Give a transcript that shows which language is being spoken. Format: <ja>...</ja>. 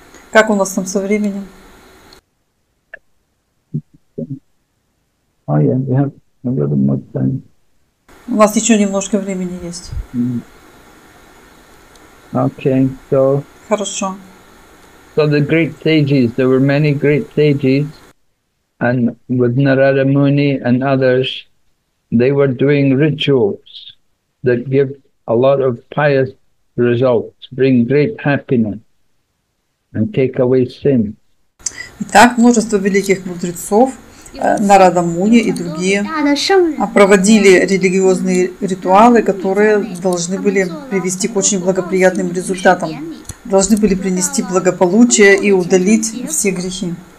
<ru>Как у нас там со временем?</ru> <en>Oh yeah, we have a little more time.</en> <ru>У нас еще немножко времени есть.</ru> <en>Okay, so.</en> <ru>Хорошо.</ru> <en>So the great sages, there were many great sages, and with Narada Muni and others, they were doing rituals that give a lot of pious results, bring great happiness, and take away sin.</en> <ru>Итак, множество великих мудрецов, Нарада Муни и другие, проводили религиозные ритуалы, которые должны были привести к очень благоприятным результатам, должны были принести благополучие и удалить все грехи.</ru>